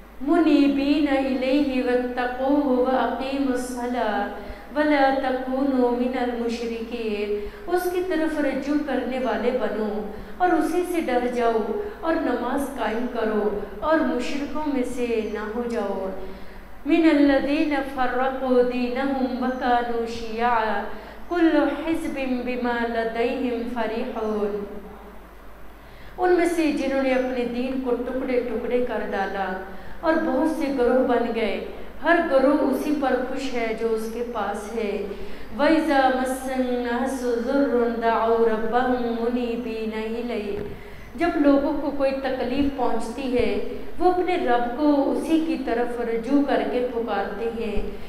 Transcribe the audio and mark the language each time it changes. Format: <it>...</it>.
<ar>منیبین الیہ واتقوہ واقیموا الصلاۃ ولا تکونوا من المشرکین،</ar> <ur>اس کی طرف رجوع کرنے والے بنو اور اسی سے ڈر جاؤ اور نماز قائم کرو اور مشرکوں میں سے نہ ہو جاؤ۔</ur> <ar>من الذين فرقوا دينهم وكانوا شيعا كل حزب بما لديهم فرحون.</ar> <ur>ان میں سے جنہوں نے اپنے دین کو ٹکڑے ٹکڑے کر ڈالا اور بہت سے گروہ بن گئے, ہر گروہ اسی پر خوش ہے جو اس کے پاس ہے.</ur> <ar>وَإِذَا مَسَّ النَّاسَ ضُرٌّ دَعَوْا رَبَّهُمْ مُنِيبِينَ إِلَيْهِ,</ar> <ur>جب لوگوں کو کوئی تکلیف پہنچتی ہے وہ اپنے رب کو اسی کی طرف رجوع کر کے پکارتے ہیں.</ur>